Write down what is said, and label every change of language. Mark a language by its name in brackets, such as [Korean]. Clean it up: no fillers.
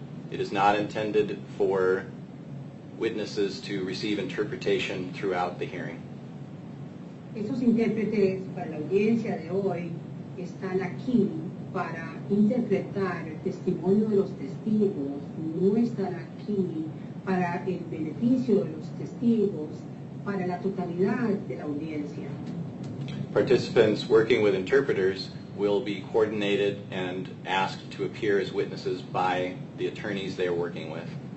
[English] It is not intended for witnesses to receive interpretation throughout the hearing. [Spanish] Esos intérpretes para la audiencia de hoy están aquí para interpretar el testimonio de los testigos, no están aquí para el beneficio de los testigos, para la totalidad de la audiencia. [English] Participants working with interpreters will be coordinated and asked to appear as witnesses by the attorneys they are working with.